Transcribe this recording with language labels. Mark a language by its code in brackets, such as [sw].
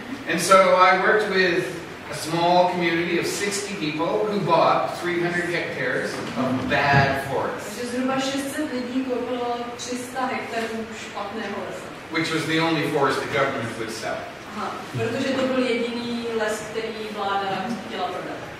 [en] And so I worked with a small community of 60 people who bought 300 hectares of bad forest. [cs] Takže zhruba 600 lidí koupilo 300 hektarů špatného lesa. [en] Which was the only forest the government would sell. [cs] Protože to byl jediný les, který vláda chtěla prodat.